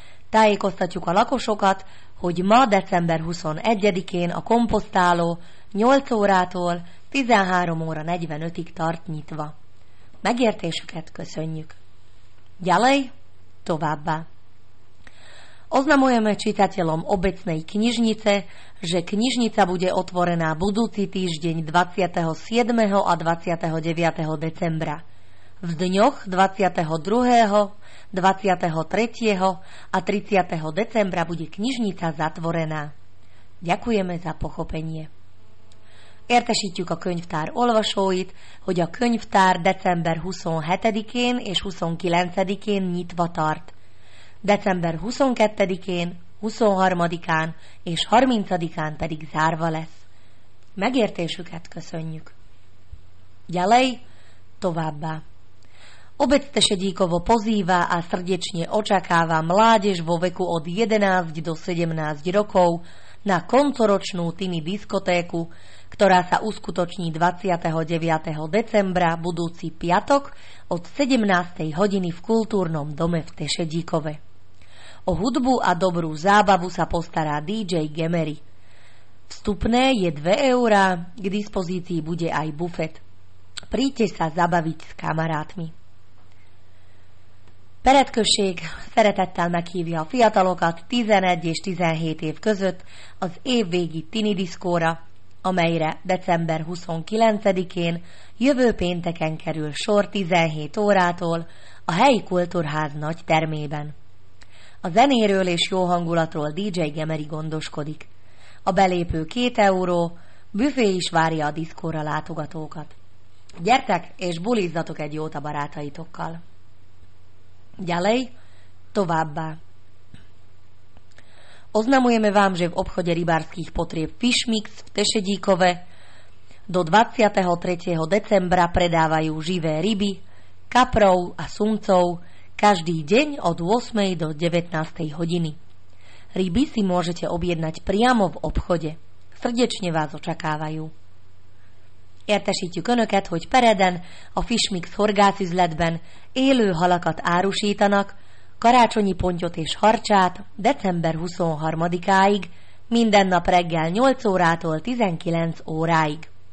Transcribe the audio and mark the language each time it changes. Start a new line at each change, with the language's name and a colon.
Hungarian: Tájékoztatjuk a lakosokat, hogy ma december 21-én a komposztáló 8 órától 13 óra 45-ig tart nyitva. Megértésüket köszönjük.
Slovak: Ďalej,
Hungarian: továbbá.
Slovak: Oznamujeme čitateľom obecnej knižnice, že knižnica bude otvorená budúci týždeň 27. a 29. decembra. V dňoch 22., 23. a 30. decembra bude knižnica zatvorená. Ďakujeme za pochopenie.
Hungarian: Értesítjük a könyvtár olvasóit, hogy a könyvtár december 27-én és 29-én nyitva tart. December 22-én, 23-án és 30-án pedig zárva lesz. Megértésüket köszönjük.
Slovak: Ďalej,
Hungarian: továbbá.
Slovak: Obec Tešedíkovo pozýva a srdečne očakáva mládež vo veku od 11 do 17 rokov na koncoročnú Tiny diskotéku, ktorá sa uskutoční 29. decembra budúci piatok od 17. hodiny v kultúrnom dome v Tešedíkove. O hudbu a dobrú zábavu sa postará DJ Gemery. Vstupné je 2 eurá, k dispozícii bude aj bufet. Príďte sa zabaviť s kamarátmi.
Hungarian: Peretkösség szeretettel meghívja a fiatalokat 11 és 17 év között az évvégi tini diszkóra, amelyre december 29-én, jövő pénteken kerül sor 17 órától a helyi kultúrház nagy termében. A zenéről és jó hangulatról DJ Gemery gondoskodik. A belépő 2 euró, büfé is várja a diszkóra látogatókat. Gyertek és bulizzatok egy jót a barátaitokkal!
Slovak: Ďalej,
Hungarian: továbbá.
Slovak: Oznamujeme vám, že v obchode rybárskych potrieb Fishmix v Tešedíkove do 23. decembra predávajú živé ryby, kaprov a suncov každý deň od 8. do 19. hodiny. Ryby si môžete objednať priamo v obchode. Srdečne vás očakávajú.
Hungarian: Értesítjük Önöket, hogy Pereden a Fishmix horgászüzletben élő halakat árusítanak, karácsonyi pontyot és harcsát december 23-áig, minden nap reggel 8 órától 19 óráig.